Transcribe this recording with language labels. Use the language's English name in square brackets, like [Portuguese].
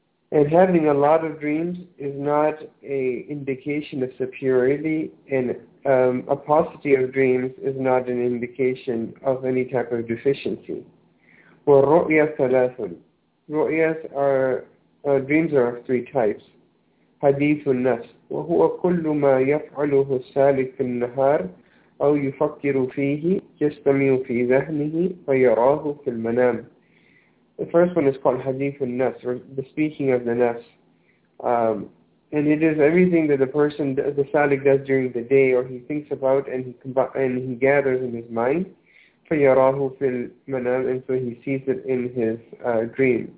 [English] And having a lot of dreams is not an indication of superiority, and a paucity of dreams is not an indication of any type of deficiency. [Arabic] وَالرُّؤْيَا ثَلَاثٌ. [English] Ru'yas are, dreams are of three types. [Arabic] حديث النفس وهو كل ما يفعله السالك في النهار أو يفكر فيه يستمع في ذهنه فيراه في المنام. [English] The first one is called حديث النفس, or the speaking of the nafs. And it is everything that the salik does during the day, or he thinks about and he gathers in his mind. [Arabic] فيراه في المنام, [English] and so he sees it in his dream.